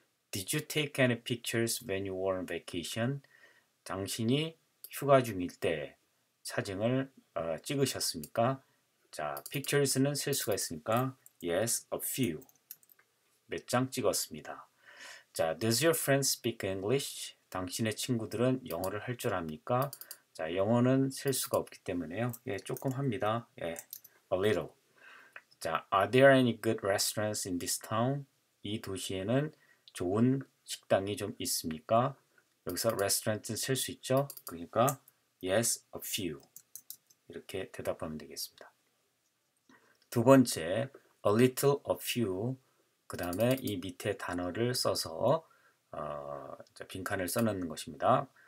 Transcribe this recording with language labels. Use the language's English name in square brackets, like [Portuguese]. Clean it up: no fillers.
[English] Did you take any pictures when you were on vacation? [Korean] 당신이 휴가 중일 때 사진을 찍으셨습니까? 자, pictures는 셀 수가 있으니까 [English] yes, a few. [Korean] 몇장 찍었습니다. 자, [English] does your friend speak English? [Korean] 당신의 친구들은 영어를 할줄 압니까? 자, 영어는 쓸 수가 없기 때문에요. 예, 조금 합니다. 예, [English] a little. 자, are there any good restaurants in this town? [Korean] 이 도시에는 좋은 식당이 좀 있습니까? 여기서 restaurant은 쓸수 있죠? 그러니까 [English] yes, a few. [Korean] 이렇게 대답하면 되겠습니다. 두 번째, a little, a few. 그 다음에 이 밑에 단어를 써서 빈칸을 써놓는 것입니다.